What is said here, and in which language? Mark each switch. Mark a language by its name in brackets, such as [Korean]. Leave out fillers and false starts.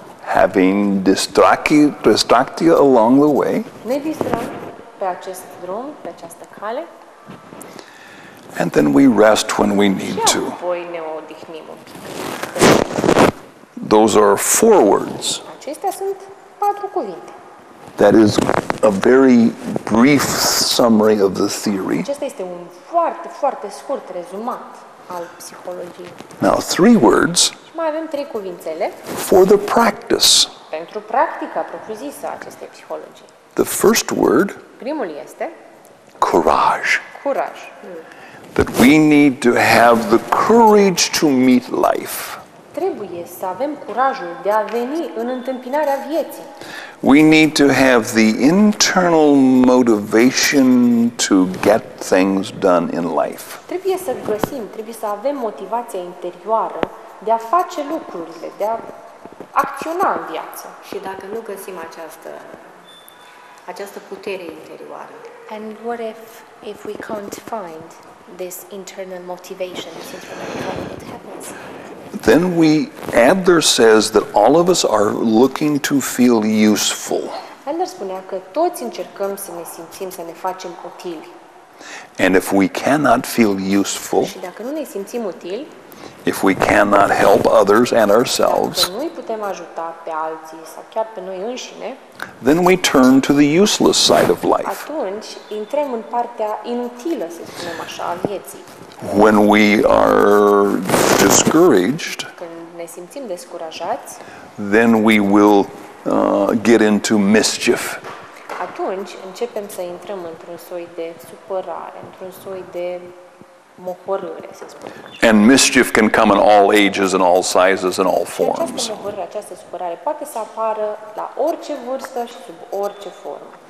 [English] having distract you along the way. [Romanian] Ne distrăm pe acest drum, pe această cale. [English] And then we rest when we need to. [Romanian] Apoi ne odihnim un pic. [English] Those are four words. [Romanian] Acestea sunt patru cuvinte. [English] That is a very brief summary of the theory. [Romanian] Acesta este un foarte, foarte scurt rezumat al psihologiei. [English] Now, three words. [Romanian] Și mai avem trei cuvințele. [English] For the practice. [Romanian] Pentru practica propriu-zisă a acestei psihologii. [English] The first word. [Romanian] Primul este. [English] Courage. [Romanian] Curaj. [English] That we need to have the courage to meet life. [Romanian] Trebuie să avem curajul de a veni în întâmpinarea vieții. [English] We need to have the internal motivation to get things done in life. [Romanian] Trebuie să găsim, trebuie să avem motivația interioară de a face lucrurile, de a acționa în viață. Și dacă nu găsim această putere interioară. [English] And what if we can't find this internal motivation, this internal drive, what happens? Then we, Adler says that all of us are looking to feel useful. [Romanian] Adler spunea că toți încercăm să ne simțim, să ne facem utili. [English] And if we cannot feel useful, [Romanian] și dacă nu ne simțim utili, [English] if we cannot help others and ourselves, [Romanian] dacă nu îi putem ajuta pe alții sau chiar pe noi înșine, [English] then we turn to the useless side of life. [Romanian] Atunci intrăm în partea inutilă, să spunem așa, a vieții. [English] When we are discouraged, [Romanian] când ne simțim descurajați, [English] then we will get into mischief. [Romanian] Atunci începem să intrăm într-un soi de supărare, într-un soi de mohorâre, să spunem. [English] And mischief can come in all ages and all sizes and all forms. [Romanian] Această mohorâre, această supărare poate să apară la orice vârstă și sub orice formă.